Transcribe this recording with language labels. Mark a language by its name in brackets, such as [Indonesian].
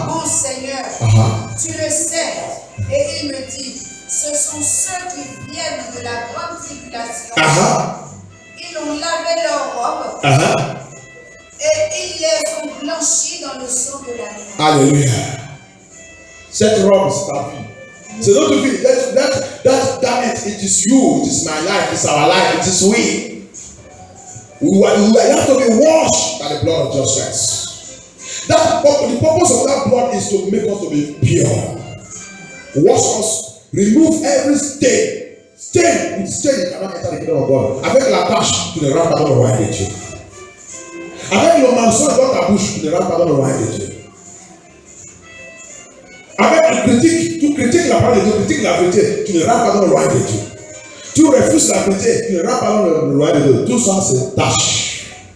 [French] Seigneur, tu le sais. Et il me dit, ce sont ceux qui viennent de la grande tribulation. Ils ont lavé leur robe. Et ils les ont blanchis dans le sang de la nuit. Alléluia. Cette robe, c'est ta vie. C'est notre vie. [English] That it is you, it is my life, it's our life, it is we. We have to be washed by the blood of Jesus. The purpose of that blood is to make us to be pure. Wash us. Remove every stain. Stain with stain you cannot enter the kingdom of God. [French] Avec la tache, tu ne rentres pas dans le royaume de Dieu. Avec le mensonge dans ta bouche, tu ne rentres pas dans le royaume de Dieu. Avec la critique, tu critiques la parole de Dieu, tu critiques la vérité, tu ne rentres pas dans le royaume de Dieu. Tu refuses la vérité, tu ne rentres pas dans le royaume de Dieu. Tout ça, c'est tâche.